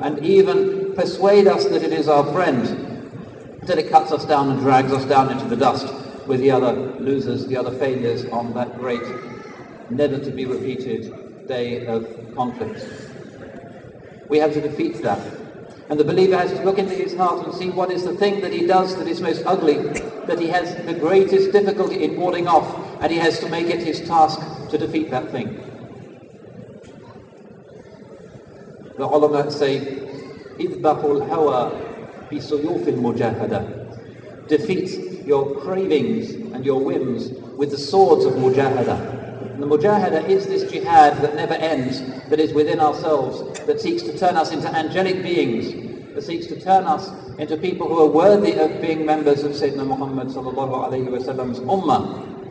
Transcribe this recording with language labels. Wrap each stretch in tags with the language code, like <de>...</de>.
<en>And even persuade us that it is our friend until it cuts us down and drags us down into the dust with the other losers, the other failures on that great, never-to-be-repeated day of conflict. We have to defeat that. And the believer has to look into his heart and see what is the thing that he does that is most ugly, that he has the greatest difficulty in warding off, and he has to make it his task to defeat that thing. The ulama say,</en> <ar>اِذْبَحُ الْهَوَى فِي سُيُوفِ الْمُجَاهَدَةِ.</ar> <en>defeat your cravings and your whims with the swords of Mujahada. And the Mujahada is this jihad that never ends, that is within ourselves, that seeks to turn us into angelic beings, that seeks to turn us into people who are worthy of being members of Sayyidina Muhammad sallallahu alayhi wa sallam's ummah.</en>